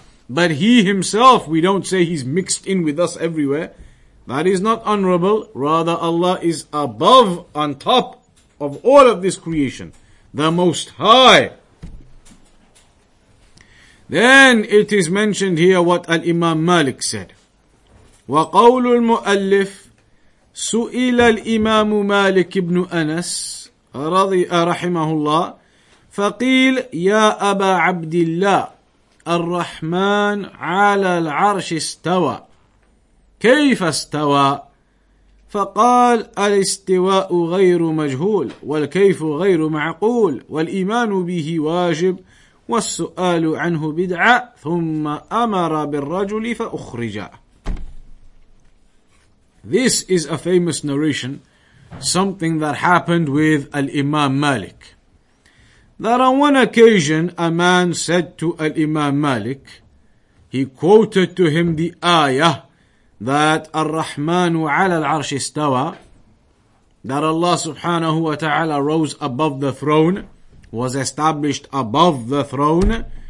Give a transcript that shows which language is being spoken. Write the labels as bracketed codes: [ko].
[en] But He Himself, we don't say He's mixed in with us everywhere. That is not honorable. Rather, Allah is above, on top of all of this creation, the Most High. Then it is mentioned here what Al-Imam Malik said. [ar] وَقَوْلُ الْمُؤَلِّفِ سُئِلَ الْإِمَامُ مَالِكِ بْنُ أَنَسِ رَضِيَ رَحِمَهُ اللَّهِ فَقِيلْ يَا أَبَا عَبْدِ اللَّهِ الرحمن على العرش استوى كيف استوى فقال الاستواء غير مجهول والكيف غير معقول والإيمان به واجب والسؤال عنه بدعة ثم أمر بالرجل فأخرج. [en] This is a famous narration, something that happened with Al-Imam Malik. That on one occasion, a man said to Al-Imam Malik, he quoted to him the ayah that [ar] Ar-Rahmanu ala al-Arsh istawa, [en] that Allah subhanahu wa ta'ala rose above the throne, was established above the throne.